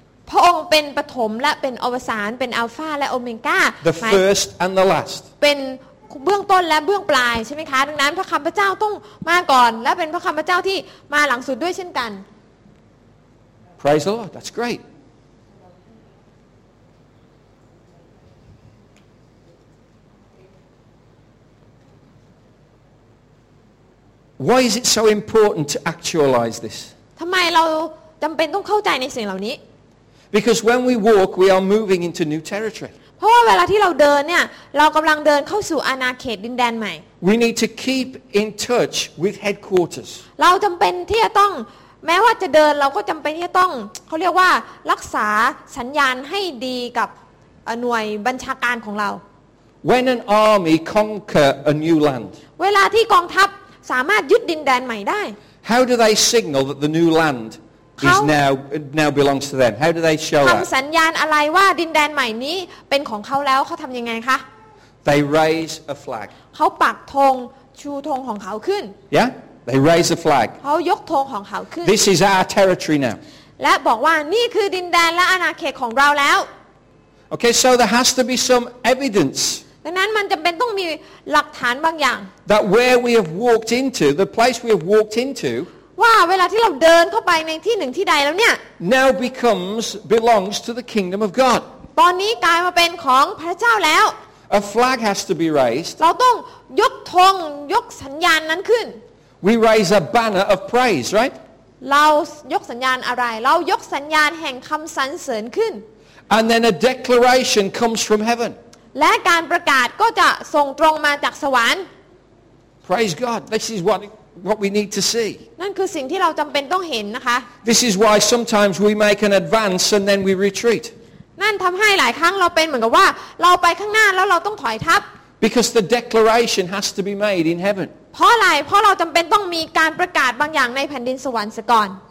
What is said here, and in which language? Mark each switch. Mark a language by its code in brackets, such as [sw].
[th] พระองค์เป็นปฐมและเป็นอวสานเป็นอัลฟาและโอเมก้า [en] The first and the last. [th] เป็นเบื้องต้นและเบื้องปลายใช่ไหมคะดังนั้นพระคำพระเจ้าต้องมาก่อนและเป็นพระคำพระเจ้าที่มาหลังสุดด้วยเช่นกัน [en] Praise the Lord that's great Why is it so important to actualize this [th] ทำไมเราจำเป็นต้องเข้าใจในสิ่งเหล่านี้ [en] Because when we walk we are moving into new territory [th] เพราะว่าเวลาที่เราเดินเนี่ยเรากำลังเดินเข้าสู่อาณาเขตดินแดนใหม่ [en] We need to keep in touch with headquarters [th] เราจำเป็นที่จะต้องแม้ว่าจะเดินเราก็จำเป็นที่จะต้องเขาเรียกว่ารักษาสัญญาณให้ดีกับหน่วยบัญชาการของเรา [en] When an army conquer a new land [th] เวลาที่กองทัพสามารถยึดดินแดนใหม่ได้ [en] How do they signal that the new land is now belongs to them. How do they show [th] up? ทำสัญญาณอะไรว่าดินแดนใหม่นี้เป็นของเขาแล้วเขาทำยังไงคะ [en] They raise a flag. [th] เขาปักธงชูธงของเขาขึ้น [en] Yeah, they raise a flag. [th] เขายกธงของเขาขึ้น [en] This is our territory now. [th] และบอกว่านี่คือดินแดนและอาณาเขตของเราแล้ว [en] Okay, so there has to be some evidence. [th] ดังนั้นมันจำเป็นต้องมีหลักฐานบางอย่าง [en] That where we have walked into the place we have walked into [th] ว่าเวลาที่เราเดินเข้าไปในที่หนึ่งที่ใดแล้วเนี่ย [en] now belongs to the kingdom of God [th] ตอนนี้กลายมาเป็นของพระเจ้าแล้ว [en] a flag has to be raised [th] เราต้องยกธงยกสัญญาณนั้นขึ้น [en] we raise a banner of praise right [th] เรายกสัญญาณอะไรเรายกสัญญาณแห่งคำสรรเสริญขึ้น [en] and then a declaration comes from heaven [th] และการประกาศก็จะส่งตรงมาจากสวรรค์ [en] Praise God this is what we need to see [th] นั่นคือสิ่งที่เราจำเป็นต้องเห็นนะคะ [en] This is why sometimes we make an advance and then we retreat [th] นั่นทำให้หลายครั้งเราเป็นเหมือนกับว่าเราไปข้างหน้าแล้วเราต้องถอยทับ [en] Because the declaration has to be made in heaven [th] เพราะอะไรเพราะเราจำเป็นต้องมีการประกาศบางอย่างในแผ่นดินสวรรค์ซะก่อน